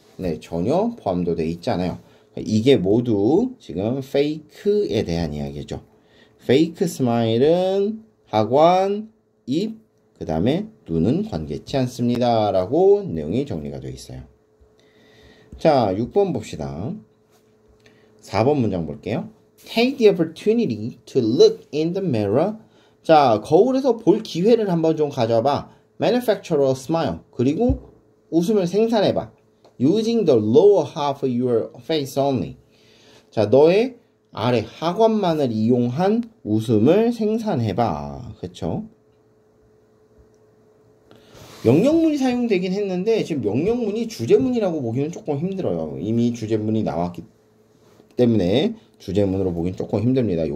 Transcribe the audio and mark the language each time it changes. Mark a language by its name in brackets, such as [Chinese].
[Korean] 네, 전혀 포함도 돼 있잖아요. 이게 모두 지금 페이크에 대한 이야기죠. 페이크 스마일은 하관, 입, 그 다음에 눈은 관계치 않습니다. 라고 내용이 정리가 되어 있어요. 자, 6번 봅시다. 4번 문장 볼게요. [English] Take the opportunity to look in the mirror. [Korean] 자, 거울에서 볼 기회를 한번 좀 가져봐. [English] Manufacture a smile. [Korean] 그리고 웃음을 생산해봐. [English] Using the lower half of your face only. [Korean] 자, 너의 아래 하관만을 이용한 웃음을 생산해봐. 그쵸? 명령문이 사용되긴 했는데, 지금 명령문이 주제문이라고 보기는 조금 힘들어요. 이미 주제문이 나왔기 때문에 주제문으로 보기는 조금 힘듭니다.